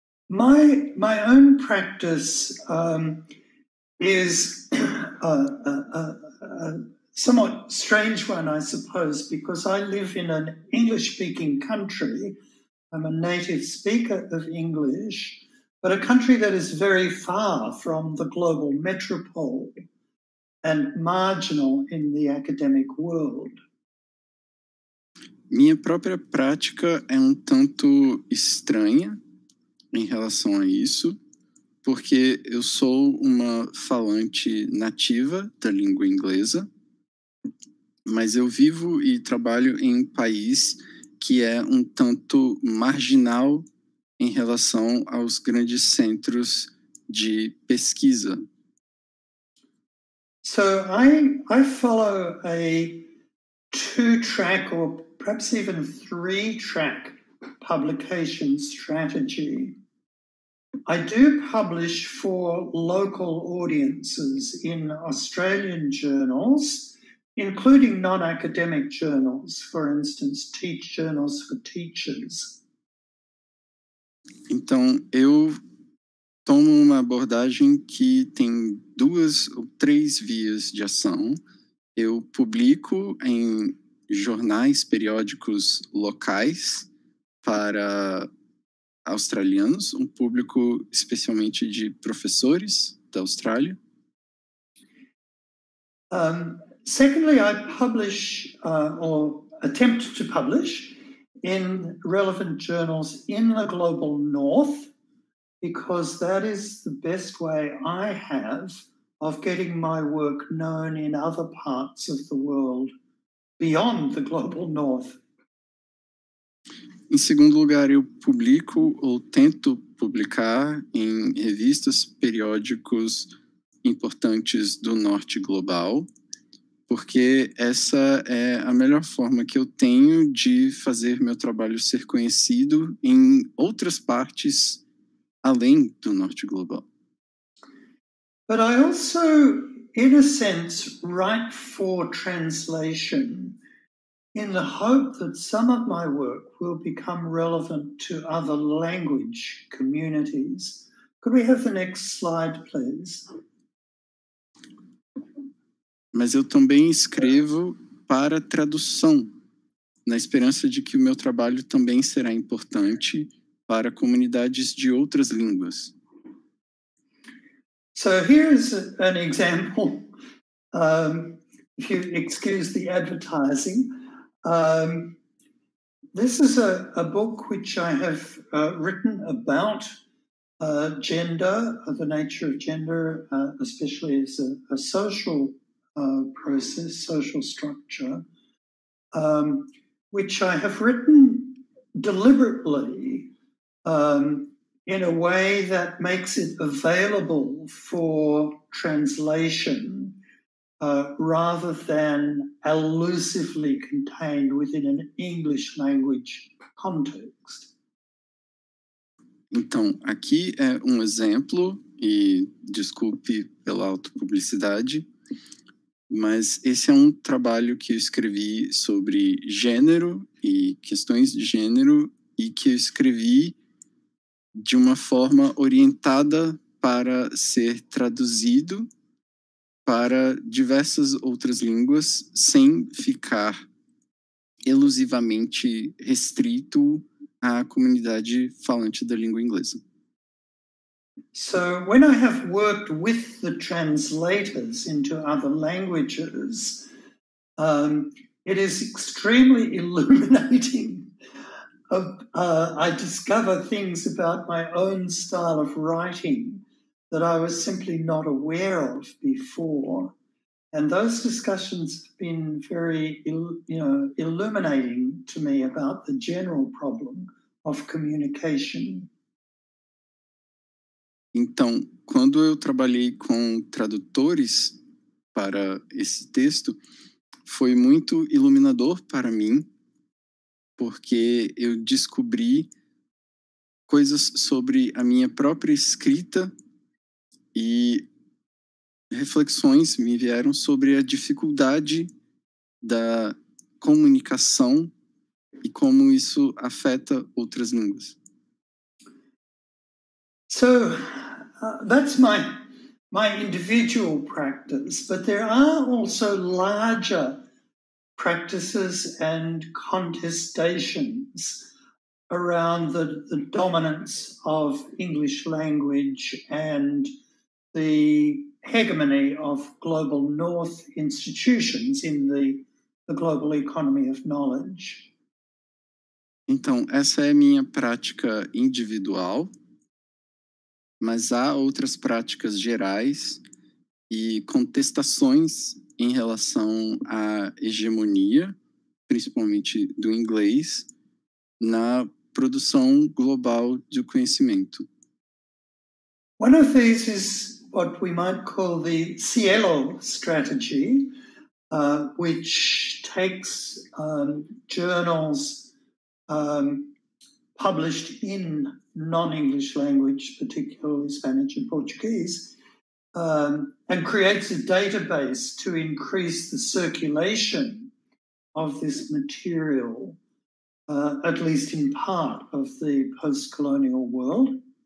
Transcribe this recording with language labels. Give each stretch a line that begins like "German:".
English: My own practice is a somewhat strange one, I suppose, because I live in an English-speaking country. I'm a native speaker of English, but a country that is very far from the global metropole and marginal in the academic world.
Portuguese: Minha própria prática é um tanto estranha em relação a isso, porque eu sou uma falante nativa da língua inglesa, mas eu vivo e trabalho em um país que é um tanto marginal em relação aos grandes centros de pesquisa.
English: So I follow a two-track or perhaps even three-track publication strategy. I do publish for local audiences in Australian journals, including non-academic journals, for instance, Teach Journals for Teachers.
Portuguese: Então, eu tomo uma abordagem que tem duas ou três vias de ação. Eu publico em jornais, periódicos locais para australianos, um público especialmente de professores da Austrália.
English: Secondly, I publish or attempt to publish in relevant journals in the global north, because that is the best way I have of getting my work known in other parts of the world beyond the global north.
Portuguese: Em segundo lugar, eu publico ou tento publicar em revistas, periódicos importantes do norte global, porque essa é a melhor forma que eu tenho de fazer meu trabalho ser conhecido em outras partes além do norte global.
English: But I also, in a sense, write for translation in the hope that some of my work will become relevant to other language communities. Could we have the next slide, please?
Portuguese: Mas eu também escrevo para tradução, na esperança de que o meu trabalho também será importante para comunidades de outras línguas.
English: So here's an example. If you excuse the advertising, this is a book which I have written about gender, the nature of gender, especially as a social process, social structure, which I have written deliberately in a way that makes it available for translation rather than elusively contained within an English language context.
Portuguese: Então, aqui é exemplo, e desculpe pela autopublicidade, mas esse é trabalho que eu escrevi sobre gênero e questões de gênero e que eu escrevi de uma forma orientada para ser traduzido para diversas outras línguas sem ficar elusivamente restrito à comunidade falante da língua inglesa.
English: So when I have worked with the translators into other languages, it is extremely illuminating. I discover things about my own style of writing that I was simply not aware of before. And those discussions have been very illuminating to me about the general problem of communication.
Portuguese: Então, quando eu trabalhei com tradutores para esse texto, foi muito iluminador para mim, porque eu descobri coisas sobre a minha própria escrita e reflexões me vieram sobre a dificuldade da comunicação e como isso afeta outras línguas.
English: So... that's my individual practice, but there are also larger practices and contestations around the dominance of English language and the hegemony of global north institutions in the global economy of knowledge.
Portuguese: Então, essa é minha prática individual. Mas há outras práticas gerais e contestações em relação à hegemonia, principalmente do inglês, na produção global do conhecimento.
English: One of these is what we might call the Cielo strategy, which takes journals published in non-English language, particularly Spanish and Portuguese, and creates a database to increase the circulation of this material, at least in part of the post-colonial world.